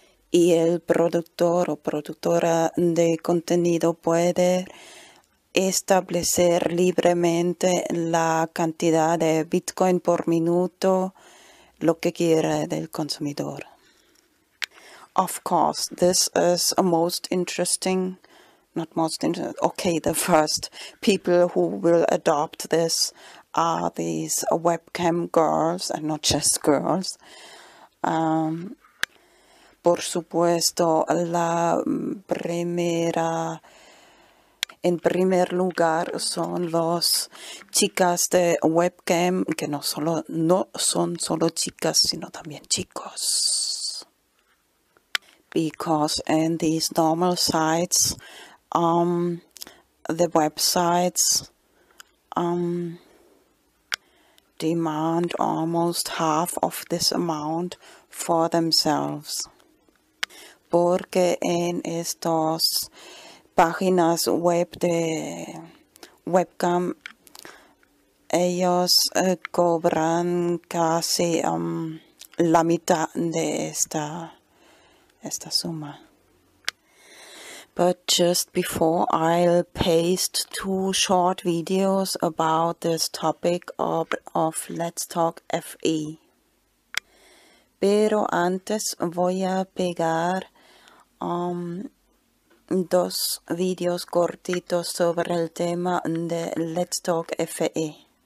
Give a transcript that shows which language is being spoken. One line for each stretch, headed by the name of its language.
Spanish: Y el productor o productora de contenido puede establecer libremente la cantidad de Bitcoin por minuto, lo que quiere del consumidor.
English: Of course, this is a most interesting, not most interesting, okay, the first people who will adopt this are these webcam girls, and not just girls.
Spanish: Por supuesto, la primera, en primer lugar, son los chicas de webcam, que no solo, no son solo chicas, sino también chicos.
English: Because in these normal sites, the websites demand almost half of this amount for themselves.
Spanish: Porque en estos páginas web de webcam, ellos cobran casi la mitad de esta suma.
English: But just before, I'll paste two short videos about this topic of Let's Talk FE.
Spanish: Pero antes voy a pegar dos videos cortitos sobre el tema de Let's Talk FE.